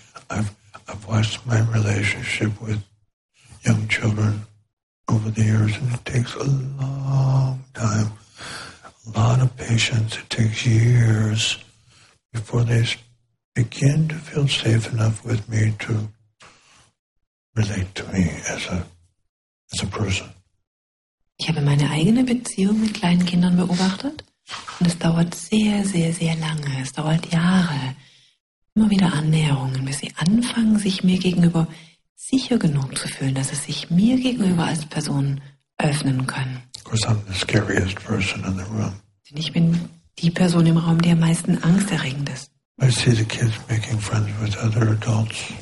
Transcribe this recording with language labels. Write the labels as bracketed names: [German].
[English] I've watched my relationship with young children over the years, and it takes a long time, a lot of patience. It takes years before they begin to feel safe enough with me to relate to me as a person. [German] Ich habe meine eigene Beziehung mit kleinen Kindern beobachtet und es dauert sehr, sehr, sehr lange. Es dauert Jahre. Immer wieder Annäherungen, bis sie anfangen, sich mir gegenüber sicher genug zu fühlen, dass sie sich mir gegenüber als Person öffnen können. [English] Of course, I'm the scariest person in the room. [German] Denn ich bin die Person im Raum, die am meisten angsterregend ist. [English] I see the kids making friends with other adults.